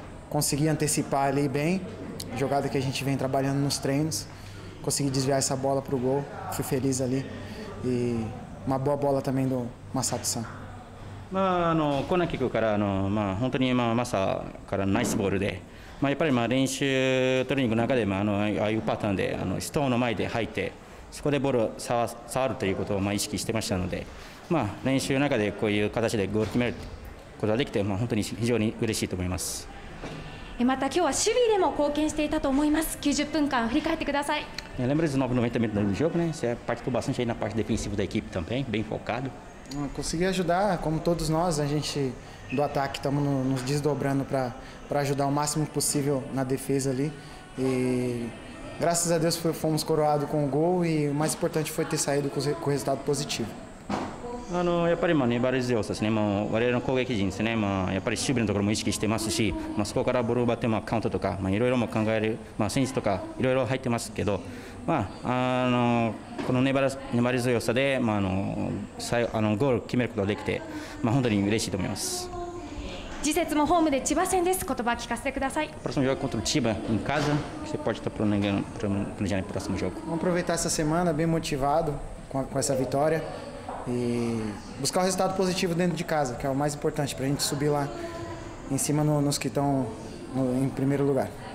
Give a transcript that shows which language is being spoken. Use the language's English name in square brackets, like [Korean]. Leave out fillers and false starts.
[Portuguese] Consegui antecipar ali bem, jogada que a gente vem trabalhando nos treinos. Consegui desviar essa bola para o gol, fui feliz ali. E uma boa bola também do Masato-san. [Japanese] まあ、コーナーキックから、まあ、本当に、まあ、マサからナイスボールで、まあ、やっぱり、まあ、練習トレーニングの中で、まあ、ああいうパターンでストーンの前で入ってそこでボールを触るということを、まあ、意識してましたので、まあ、練習の中でこういう形でゴール決めることができて、まあ、本当に非常に嬉しいと思います。また今日は守備でも貢献していたと思います。90分間振り返ってください。 [Portuguese] Lembrez novamente do jogo, né? Você participou bastante aí na parte defensiva da equipe também, bem focado. Consegui ajudar, como todos nós, a gente do ataque estamos nos desdobrando para ajudar o máximo possível na defesa ali. E graças a Deus fomos coroados com o gol e o mais importante foi ter saído com resultado positivo. [Japanese] やっぱり粘り強さですね、まあ、我々の攻撃陣ですね、まあ、やっぱり守備のところも意識してますし、まあ、そこからボールを奪って、まあ、カウントとか、まあ、いろいろも考える、まあ、選手とかいろいろ入ってますけど、まあ、この粘り強さで、まあ、ゴールを決めることができて、まあ、本当に嬉しいと思います。次節もホームで千葉戦です。言葉聞かせてください。 [Portuguese] próximo jogo contra o Chiba em casa. Você pode estar planejando o próximo jogo. Vamos aproveitar essa semana bem motivado com essa vitória. E buscar o resultado positivo dentro de casa, que é o mais importante para a gente subir lá em cima nos que estão em primeiro lugar.